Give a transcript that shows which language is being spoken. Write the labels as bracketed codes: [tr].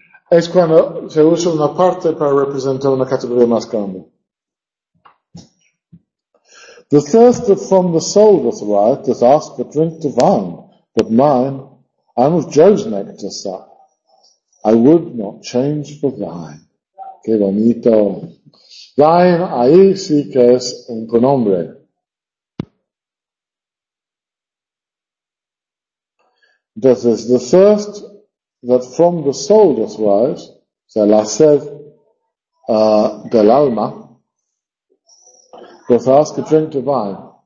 [es] es cuando se usa una parte para representar una categoría más grande. [en] The thirst that from the soul doth arise doth ask for drink divine, but mine, I'm of Jove's nectar sup. I would not change for thine. [es] Qué bonito. Thine, ahí sí que es un pronombre. [en] This is the thirst that from the soul doth rise, [es] o sea, la sed del alma, [en] doth ask a drink divine.